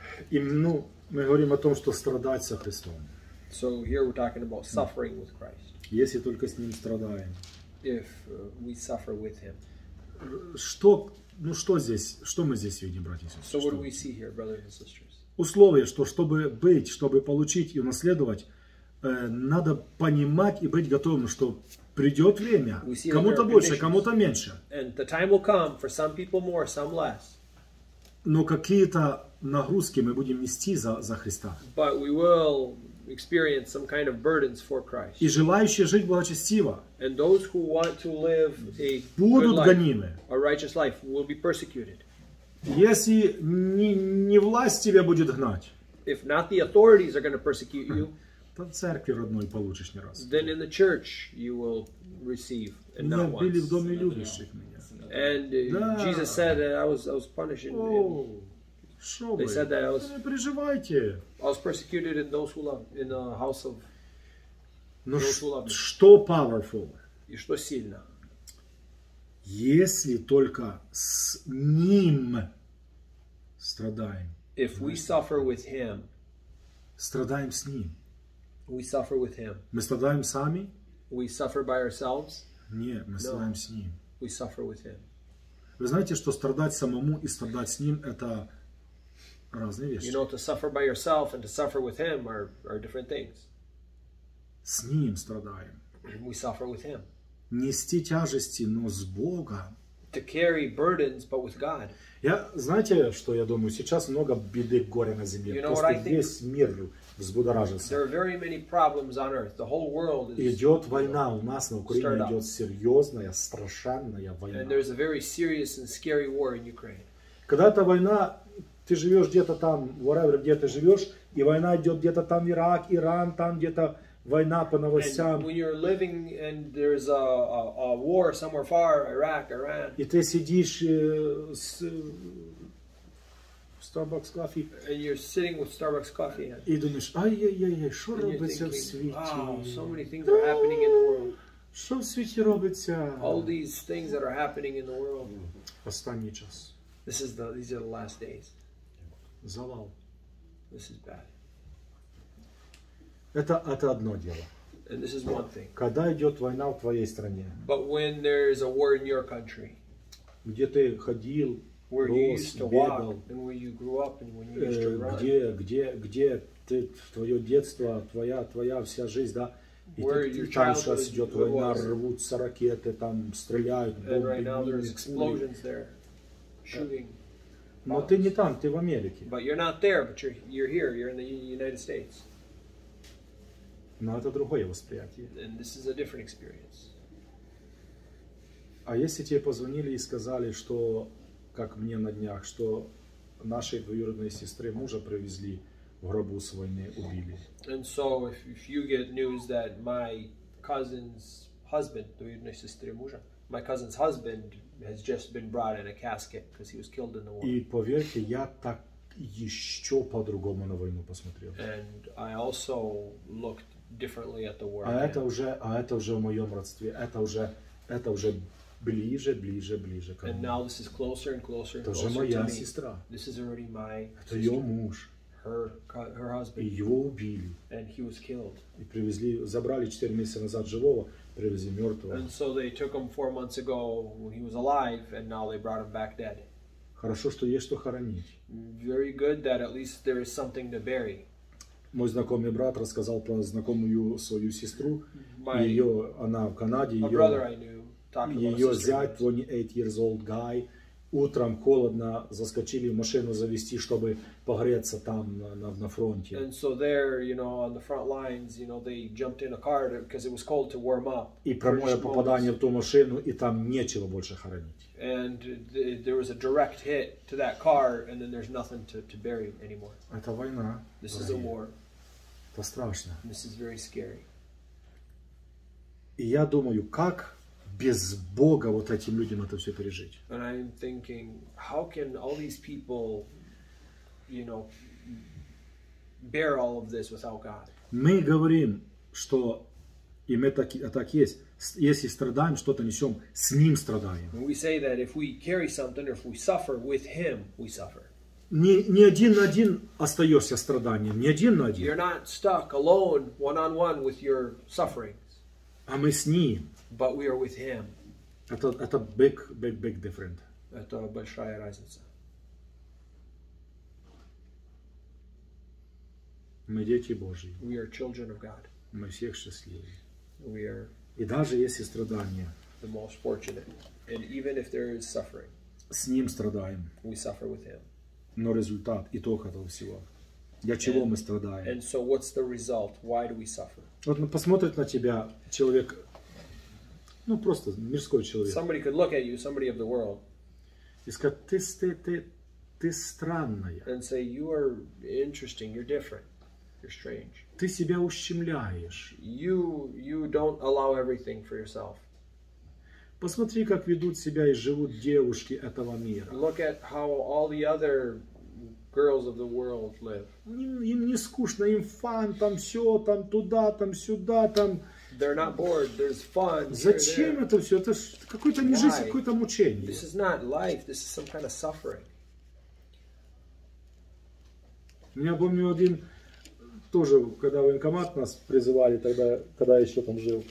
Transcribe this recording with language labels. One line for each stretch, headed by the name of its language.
Ukrainian: І, ну, ми говоримо о том, що страдати з Христом.
English: So here we're talking about suffering with Christ.
Ukrainian: Якщо тільки з ним страдаємо.
English: If we suffer with him.
Ukrainian: Що...
Russian: Ну что здесь, что мы здесь видим, братья и сестры?
English: So what do we see here, brothers and sisters?
Russian: Условие, что чтобы быть, чтобы получить и унаследовать, надо понимать и быть готовым, что придет время, кому-то больше, кому-то меньше.
English: And the time will come for some people more, some less.
Russian: Но какие-то нагрузки мы будем нести за Христа.
English: But we will experience some kind of burdens for Christ.
Russian: И желающие жить благочестиво.
English: And those who want to live a good life, a righteous life, will be persecuted.
Russian: Если не власть тебя будет гнать,
English: if not the authorities are going to persecute you,
Russian: то в церкви родной получишь не раз.
English: Then in the church you will receive and not once.
Russian: Били в доме любящих меня.
English: And да. Jesus said that I was punished. Oh. They said that I was persecuted in those who love in the house of those who love. Что powerful?
Russian: И что сильно? Если только с ним страдаем.
English: If we suffer with him.
Russian: Страдаем с ним.
English: We suffer with him.
Russian: Мы страдаем сами?
English: We suffer by ourselves?
Russian: Нет, мы страдаем с ним.
English: We suffer with him.
Russian: Вы знаете, что страдать самому и страдать с ним это разные вещи.
English: You know, to suffer by yourself and to suffer with him are different things.
Russian: С ним страдаем.
English: We suffer with him.
Russian: Нести тяжести, но с Богом.
English: To carry burdens, but with God.
Russian: Я, знаете, что я думаю? Сейчас много беды, горя на земле.
English: You know,
Russian: просто весь мир взбудоражился.
English: There are very many problems on earth. The whole world is.
Russian: Идет война у нас на Украине. Идет серьезная, страшная война.
English: And there's a very serious and scary war in Ukraine.
Russian: Когда эта война. Ты живешь где-то там, wherever, где ты живешь, и война идет где-то там, Ирак, Иран, там где-то война по новостям. И ты сидишь в Starbucks кофе.
English: And you're sitting with Starbucks coffee.
Russian: И думаешь, ай-яй-яй-яй, что
Ukrainian: робиться в світі?
English: Wow, so many things are happening in the world.
Ukrainian: Что в світі робиться?
English: All these things that are happening in the world.
Ukrainian: Останній час.
English: These are the last days.
Russian: Завал.
English: This is bad.
Russian: Это одно дело.
English: And this is one thing.
Russian: Когда идет война в твоей стране.
English: But when there is a war in your country.
Russian: Где ты ходил,
English: where
Russian: рос,
English: you used to
Russian: бегал.
English: Walk, and where you grew up, and when you used to run.
Russian: Где ты, твое детство, твоя вся жизнь, да? И
English: where
Russian: ты читаешь, сейчас идет война, рвутся ракеты, там стреляют, бомбы, но ты не там, ты в Америке.
English: But you're not there, but you're here, you're in the United States.
Russian: Но это другое восприятие.
English: And this is a different experience.
Russian: А если тебе позвонили и сказали, что, как мне на днях, что нашей двоюродной сестры мужа привезли в гробу с войны, убили.
English: And so if you get news that my cousin's husband,
Russian: двоюродной сестры мужа,
English: my cousin's husband has just been brought in a casket because he was killed in the war.
Russian: И поверьте, я так ещё по-другому на войну посмотрел.
English: And I also looked differently at the war.
Russian: А это уже в моём родстве. Это уже ближе ко мне.
English: And now this is closer and closer.
Russian: Это уже моя сестра.
English: This is already my
Russian: сестра. Это её муж.
English: Her her husband.
Ukrainian: І його вбили.
English: And he was killed.
Ukrainian: І привезли, забрали 4 місяці назад живого, привезли мертвого.
English: And so they took him 4 months ago when he was alive and now they brought him back dead.
Ukrainian: Хорошо, що є що хоронити.
English: Very good that at least there is something to bury.
Russian: Мой знакомий брат розказав про знакомую свою сестру.
Ukrainian: Її, вона в Канаді,
Russian: Её зять,
English: 28 years old guy,
Russian: утром холодно заскочили в машину завести, чтобы погреться там на фронте.
English: And so there, you know, on the front lines, you know, they jumped in a car because it was cold to warm up.
Russian: И прямое попадание в ту машину, и там нечего больше хоронить.
English: And there was a direct hit to that car, and then there's nothing to bury anymore.
Russian: Это война.
English: This is a war.
Russian: Это страшно.
English: This is very scary.
Russian: И я думаю, как без Бога вот этим людям это все пережить.
English: And I'm thinking, how can all these people, you know, bear all of this without God?
Russian: Мы говорим, что и мы так есть, если страдаем, что-то несем, с Ним страдаем.
English: And we say that if we carry something, if we suffer with Him, we suffer.
Russian: Не один на один остаешься страданием, не один на один.
English: You're not stuck alone, one-on-one with your sufferings.
Russian: А мы с Ним.
English: But we are with Him.
Russian: Это
English: big, big, big different.
Russian: Это большая разница. Мы дети Божьи.
English: We are children of God.
Russian: Мы всех счастливы.
English: We are.
Russian: И даже если страдания.
English: The most fortunate, and even if there is suffering.
Russian: С Ним страдаем.
English: We suffer with Him.
Russian: Но результат, итог этого всего. Для чего мы страдаем?
English: And so, what's the result? Why do we suffer?
Russian: Вот посмотрит на тебя человек. Ну просто мирской человек.
English: Somebody could look at you, somebody of the world.
Russian: И сказать, ты странная.
English: And say you are interesting, you're different, you're strange.
Russian: Ты себя ущемляешь.
English: You don't allow everything for yourself.
Russian: Посмотри, как ведут себя и живут девушки этого мира.
English: Look at how all the other girls of the world live.
Russian: Им не скучно, им фан, там все, там туда, там сюда, там.
English: They're not bored. There's fun.
Russian: Зачем это все? Это какой-то не жизнь, какое-то мучение.
English: This is not life. This is some kind of suffering.
Russian: Я помню один тоже, когда военкомат нас призывали тогда, когда я еще там жил.